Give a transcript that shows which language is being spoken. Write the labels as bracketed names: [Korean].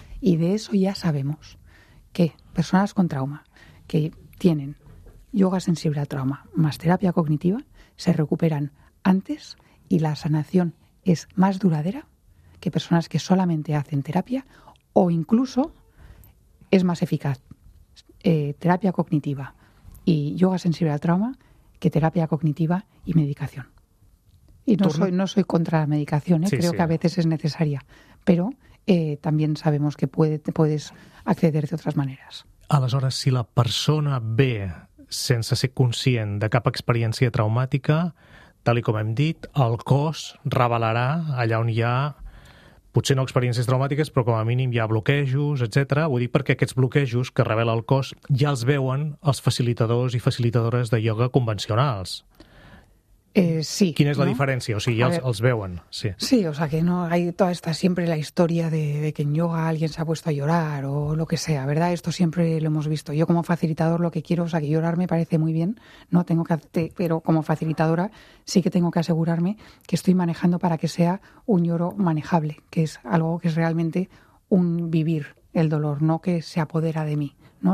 [Spanish] Y de eso ya sabemos que personas con trauma que tienen yoga sensible al trauma más terapia cognitiva se recuperan antes y la sanación es más duradera que personas que solamente hacen terapia o incluso es más eficaz terapia cognitiva y yoga sensible al trauma que terapia cognitiva y medicación. Y no soy contra la medicación, ¿eh? Creo que a veces es necesaria, pero también sabemos que puedes acceder de otras maneras. [Catalan] Aleshores, si la persona ve sense ser conscient de cap experiència traumàtica, tal i com hem dit, el cos revelarà allà on hi ha, potser no experiències traumàtiques, però com a mínim hi ha bloquejos, etc. Ho dic perquè aquests bloquejos que revela el cos ja els veuen els facilitadors i facilitadores de ioga convencionals. Sí. [Spanish] ¿Quién es la diferencia? O sea, ya los veuen. Sí. Sí, o sea, que no hay toda esta siempre la historia de que en yoga alguien se ha puesto a llorar o lo que sea, ¿verdad? Esto siempre lo hemos visto. Yo como facilitador lo que quiero, o sea, que llorar me parece muy bien, no tengo que, pero como facilitadora sí que tengo que asegurarme que estoy manejando para que sea un lloro manejable, que es algo que es realmente un vivir el dolor, no que se apodera de mí, ¿no?